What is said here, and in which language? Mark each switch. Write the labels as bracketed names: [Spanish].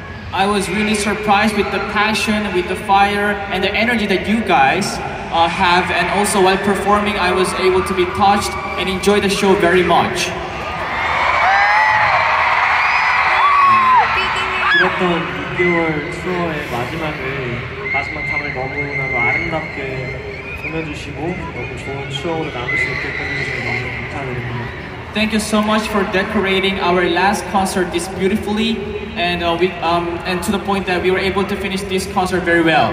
[English] I was really surprised with the passion, with the fire, and the energy that you guys have. And also while performing, I was able to be touched and enjoy the show very much. [Korean] 그랬던 6개월 투어의 마지막 탑을 너무나도 아름답게 보내주시고 너무 좋은 추억으로 남을 수 있게 해주셔서 너무 감사드립니다. [English] Thank you so much for decorating our last concert this beautifully and and to the point that we were able to finish this concert very well.